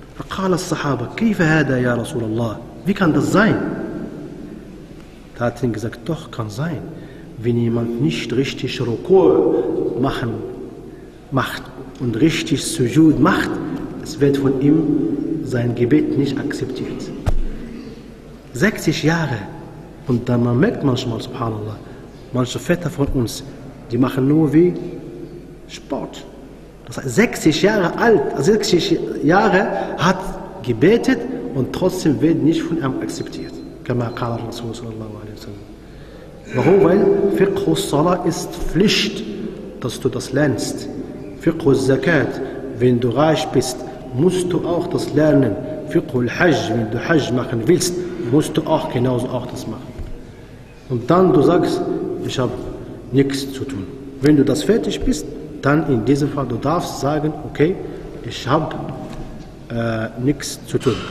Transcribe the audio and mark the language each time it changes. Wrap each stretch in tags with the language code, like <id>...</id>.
<ar>قال الصحابة كيف هذا يا رسول الله؟</ar> <de>Wie kann das sein? Da hat ihn gesagt, doch kann sein, wenn jemand nicht richtig Ruku macht und richtig Sujud macht, es wird von ihm sein Gebet nicht akzeptiert. 60 Jahre und dann man merkt manchmal, subhanallah, manche Väter von uns, die machen nur wie Sport. 60 Jahre alt, 60 Jahre hat gebetet und trotzdem wird nicht von ihm akzeptiert.</de> <ar>كما قال الرسول صلى الله عليه وسلم.</ar> <de>Warum? Weil Fiqh al-Salah ist Pflicht, dass du das lernst. Fiqh al-Zakat, wenn du reich bist, musst du auch das lernen. Fiqh al-Hajj, wenn du Hajj machen willst, musst du auch genauso auch das machen. Und dann du sagst, ich habe nichts zu tun. Wenn du das fertig bist, dann in diesem Fall, du darfst sagen, okay, ich habe nichts zu tun.</de>